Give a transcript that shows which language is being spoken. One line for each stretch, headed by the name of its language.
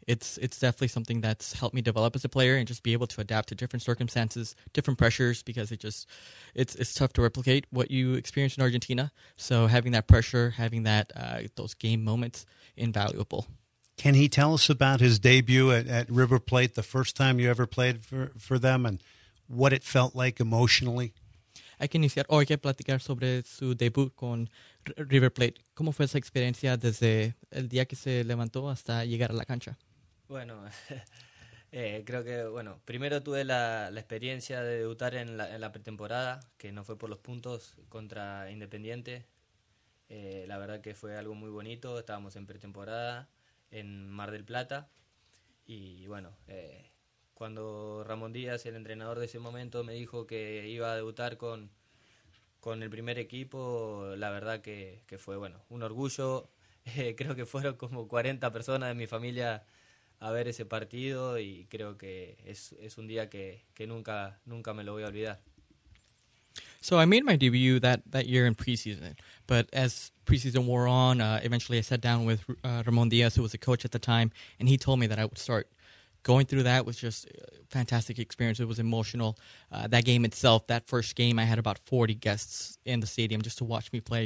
English: It's definitely something that's helped me develop as a player and just be able to adapt to different circumstances, different pressures, because it's tough to replicate what you experience in Argentina. So having that pressure, having that those game moments, invaluable. Can he tell us about his debut at River Plate, the first time you ever played for them, and what it felt like emotionally?
Spanish: Hay que iniciar o hay que platicar sobre su debut con River Plate. ¿Cómo fue esa experiencia desde el día que se levantó hasta llegar a la cancha? Bueno, creo que, bueno, primero tuve la experiencia de debutar en la pretemporada, que no fue por los puntos contra Independiente. La verdad que fue algo muy bonito. Estábamos en pretemporada en Mar del Plata. Y bueno, cuando Ramón Díaz, el entrenador de ese momento, me dijo que iba a debutar con el primer equipo, la verdad que fue, bueno, un orgullo. Creo que fueron como 40 personas de mi familia a ver ese partido y creo que es un día que nunca me lo voy a olvidar.
English: So I made my debut that year in preseason, but as preseason wore on, eventually I sat down with Ramon Diaz, who was a coach at the time, and he told me that I would start. Going through that was just a fantastic experience. It was emotional. That game itself, that first game, I had about 40 guests in the stadium just to watch me play.